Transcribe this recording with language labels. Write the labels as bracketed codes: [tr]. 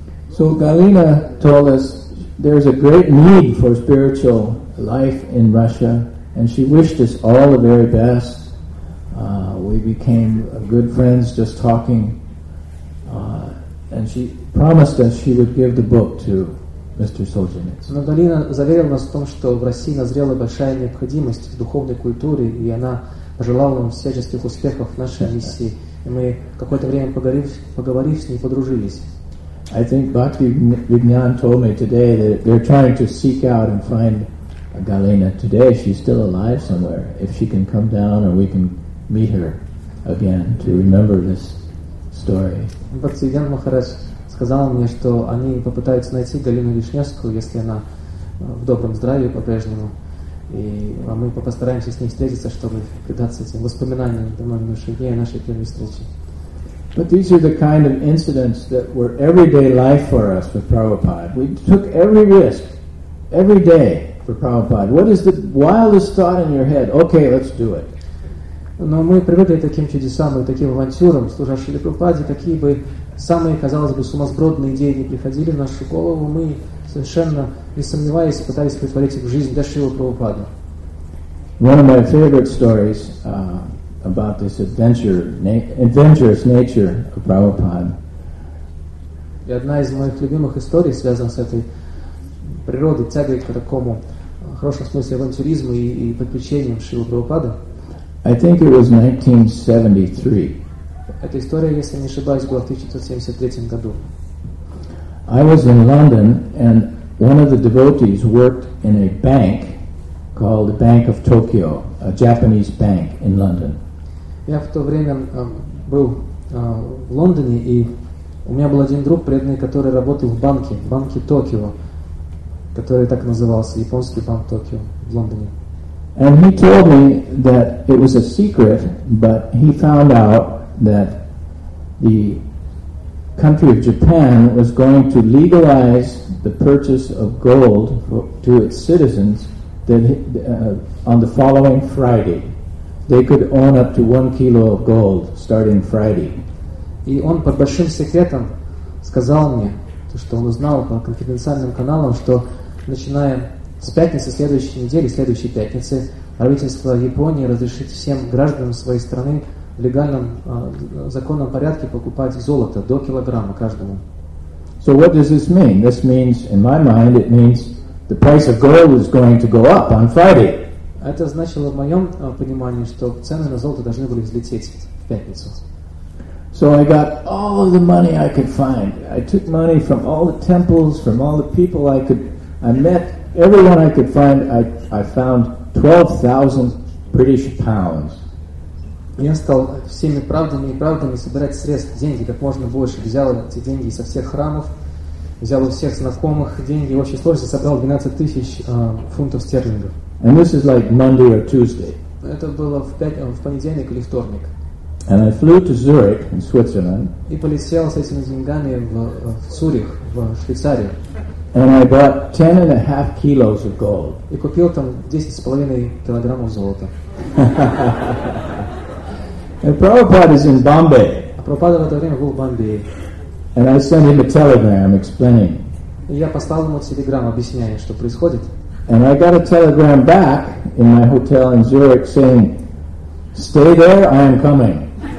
[en] So Galina told us there is a great need for spiritual life in Russia, and she wished us all the very best. We became good friends just talking, and she promised us she would give the book to Mr. Solzhenitsyn. [ru] Но Галина заверила нас в том, что в России назрела большая необходимость в духовной культуре, и она пожелала нам всяческих успехов в нашей миссии. И мы какое-то время поговорив с ней, подружились. [en] I think Bhakti Vignan told me today that they're trying to seek out and find Galina today. She's still alive somewhere. If she can come down, or we can meet her again to remember this story. [ru] Бхактивиданта Махарадж сказал мне, что они попытаются найти Галину Вишневскую, если она в добром здравии по-прежнему, и мы постараемся с ней встретиться, чтобы предаться этим воспоминаниям домой души и нашей первой встречи. [en] But these are the kind of incidents that were everyday life for us with Prabhupada. We took every risk, every day for Prabhupada. What is the wildest thought in your head? Okay, let's do it. [ru] Но мы привыкли к таким чудесам и таким авантюрам, служа Шриле Прабхупаде, какие бы самые, казалось бы, сумасбродные идеи не приходили в нашу голову, мы совершенно не сомневаясь пытались притворить их в жизнь для Шриле Прабхупады. [en] One of my favorite stories about this adventurous nature of Prabhupada. [ru] И одна из моих любимых историй связана с этой природой, тягой к такому хорошему смыслу авантюризма и подключением Шриле Прабхупады. [en] I think it was 1973. [ru] Эта история, если не ошибаюсь, была в 1973 году. [en] I was in London, and one of the devotees worked in a bank called the Bank of Tokyo, a Japanese bank in London. [ru] Я в то время был в Лондоне, и у меня был один друг преданный, который работал в банке Токио, который так назывался, японский банк Токио в Лондоне. [en] And he told me that it was a secret, but he found out that the country of Japan was going to legalize the purchase of gold to its citizens that on the following Friday. They could own up to 1 kilo of gold starting Friday. [ru] И он под большим секретом сказал мне, то, что он узнал по конфиденциальным каналам, что начиная с пятницы следующей недели, следующей пятницы, правительство Японии разрешит всем гражданам своей страны в легальном законном порядке покупать золото до килограмма каждому. [en] So what does this mean? This means, in my mind, it means The price of gold is going to go up on Friday. [ru] Это значило в моем понимании, что цены на золото должны были взлететь в пятницу. [en] So I got all of the money I could find. I took money from all the temples, from all the people I could. I met everyone I could find. I found 12,000 British pounds. [ru] Я стал всеми правдами и неправдами собирать средства, деньги как можно больше. Взял эти деньги со всех храмов, взял у всех знакомых деньги. В общей сложности собрал 12,000 фунтов стерлингов. [en] And this is like Monday or Tuesday. [ru] Это было в понедельник или вторник. [en] And I flew to Zurich in Switzerland. [ru] И полетел с этими деньгами в Цюрих, в Швейцарию. [en] And I bought 10.5 kilos of gold. [ru] И купил там 10.5 килограммов золота. [en] And Prabhupada is in Bombay. [ru] А Прабхупада в это время был в Бомбее. [en] And I sent him a telegram explaining. [ru] И я послал ему телеграмму, объясняя, что происходит. [en] And I got a telegram back in my hotel in Zurich saying, "Stay there, I am coming."